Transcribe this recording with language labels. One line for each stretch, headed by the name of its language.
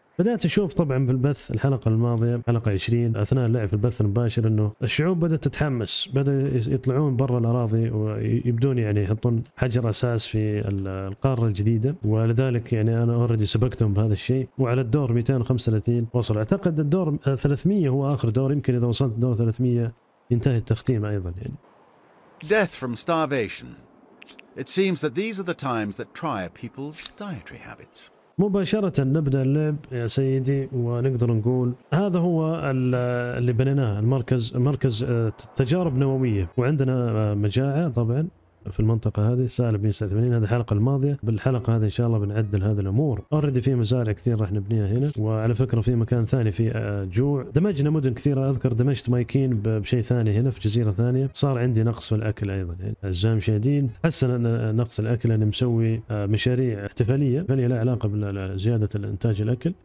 Arabic: بدأت أشوف طبعا بالبث الحلقة الماضية حلقة 20 أثناء اللعب في البث المباشر أنه الشعوب بدأت تتحمس، بدأ يطلعون برا الأراضي ويبدون يعني يحطون حجر أساس في القارة الجديدة، ولذلك يعني أنا أوردي سبقتهم بهذا الشيء. وعلى الدور 235 وصل، أعتقد الدور 300 هو آخر دور، يمكن إذا وصلت دور 300 ينتهي التختيم أيضا يعني.
English: Death from starvation. It seems that these are the times that try people's dietary habits.
Arabic: مباشرة نبدأ اللعب يا سيدي، ونقدر نقول هذا هو اللي بنيناه، المركز مركز تجارب نووية، وعندنا مجاعة طبعا في المنطقة هذه سالب 180. هذه الحلقة الماضية، بالحلقة هذه إن شاء الله بنعدل هذه الأمور. أوردي في مزارع كثير راح نبنيها هنا، وعلى فكرة في مكان ثاني في جوع، دمجنا مدن كثيرة، أذكر دمجت مايكين بشيء ثاني هنا في جزيرة ثانية، صار عندي نقص في الأكل أيضا الزام شديد، حسنا نقص الأكل أنا مسوي مشاريع احتفالية فلي لا علاقة بزيادة الإنتاج الأكل.